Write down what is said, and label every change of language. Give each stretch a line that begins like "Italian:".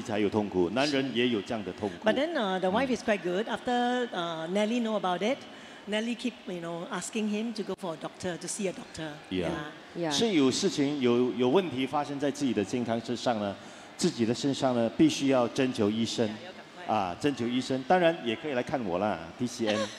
Chinese: 不是女人面对更年期才有痛苦，男人也有这样的痛苦。
English: But then the wife is quite good. After Nelly know about it, Nelly keep you know asking him to go for a doctor to see a doctor. Yeah.
Chinese: 是有事情有问题发生在自己的健康身上呢，自己的身上呢必须要征求医生，啊，征求医生，当然也可以来看我啦，TCM。